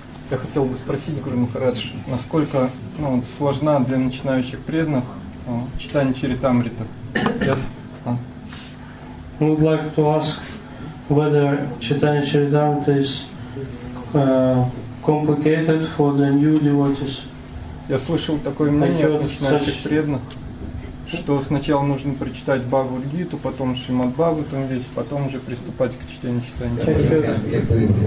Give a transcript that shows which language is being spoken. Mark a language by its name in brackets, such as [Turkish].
[Russian] Я хотел бы спросить Гуру Махарадж, насколько сложна для начинающих преданных читание Чаритамриты? [English] Would like to ask whether читание Чаритамриты is complicated for the new devotees? [Russian] Я слышал такое мнение от начинающих преданных, что сначала нужно прочитать Бхагавад-гиту, потом Шримад-бхагаватам весь, потом уже приступать к чтению читания.